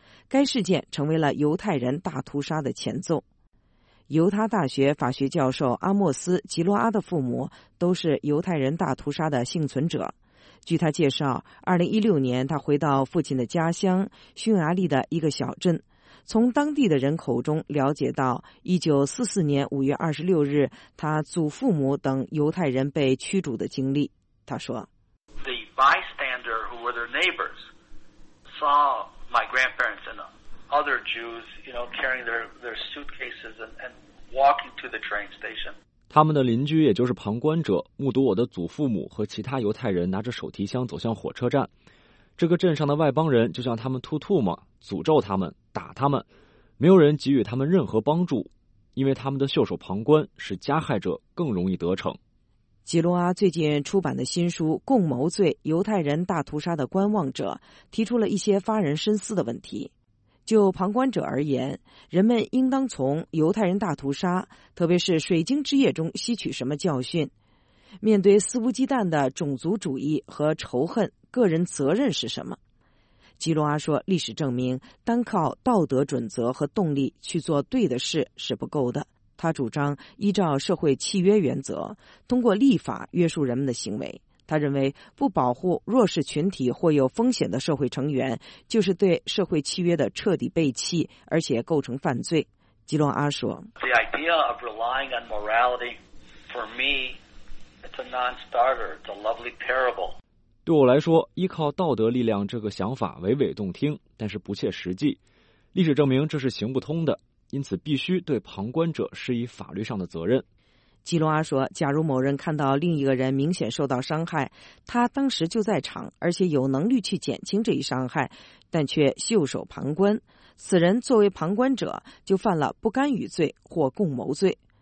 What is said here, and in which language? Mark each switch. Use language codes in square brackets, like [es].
[zh] 该事件成为了犹太人大屠杀的前奏。犹他大学法学教授阿莫斯·吉洛阿的父母都是犹太人大屠杀的幸存者。据他介绍，2016年他回到父亲的家乡匈牙利的一个小镇，从当地的人口中了解到1944年5月26日他祖父母等犹太人被驱逐的经历。他说 [en] The bystander who were their neighbors saw my grandparents and other Jews, you know, carrying their suitcases and walking to the train station. [zh] 他们的邻居也就是旁观者目睹我的祖父母和其他犹太人拿着手提箱走向火车站。这个镇上的外邦人就像他们吐吐沫，诅咒他们，打他们，没有人给予他们任何帮助，因为他们的袖手旁观使加害者更容易得逞。吉罗阿最近出版的新书《共谋罪：犹太人大屠杀的观望者》提出了一些发人深思的问题。就旁观者而言，人们应当从犹太人大屠杀，特别是水晶之夜中吸取什么教训？面对肆无忌惮的种族主义和仇恨，个人责任是什么？吉罗阿说，历史证明，单靠道德准则和动力去做对的事是不够的。他主张依照社会契约原则，通过立法约束人们的行为。他认为，不保护弱势群体或有风险的社会成员，就是对社会契约的彻底背弃，而且构成犯罪。吉隆阿说 [en] ：“The idea of relying on morality, for me, it's a non-starter. It's a lovely parable.” [zh] 对我来说，依靠道德力量这个想法娓娓动听，但是不切实际。历史证明这是行不通的，因此必须对旁观者施以法律上的责任。吉隆阿说，假如某人看到另一个人明显受到伤害，他当时就在场，而且有能力去减轻这一伤害，但却袖手旁观，此人作为旁观者就犯了不干预罪或共谋罪。